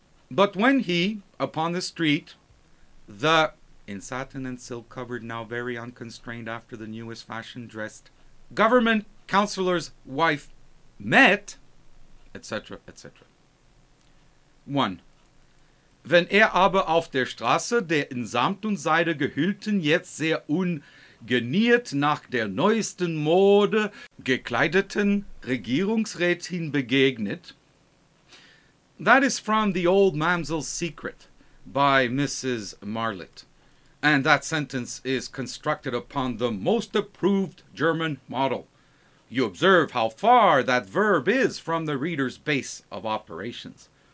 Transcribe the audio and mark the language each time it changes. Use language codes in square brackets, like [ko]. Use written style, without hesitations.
[en] But when he, upon the street, the, in satin and silk covered, now very unconstrained after the newest fashion dressed, government counselor's wife met, etc., etc. 1. [de] Wenn aber auf der Straße der in Samt und Seide gehüllten, jetzt sehr ungeniert nach der neuesten Mode gekleideten Regierungsrätin begegnet. [en] That is from The Old Mamsel's Secret by Mrs. Marlitt. And that sentence is constructed upon the most approved German model. You observe how far that verb is from the reader's base of operations.